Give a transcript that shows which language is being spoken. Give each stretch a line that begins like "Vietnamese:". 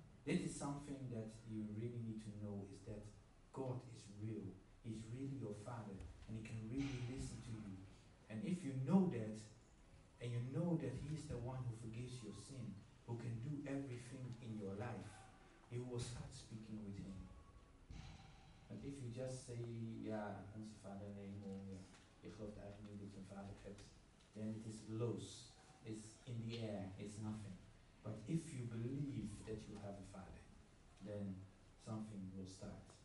English: This is something that you really need to know, is that God is real. He's really your Father, and he can really listen to you. And if you know that, and you know that he is the one who forgives your sin, who can do everything in your life, you will start speaking with him. just say, yeah,
Dutch: onze vader
English: name, or
Dutch: je gelooft eigenlijk niet dat je een vader hebt,
English: then it is loose, it's in the air, it's nothing. But if you believe that you have a father, then something will start.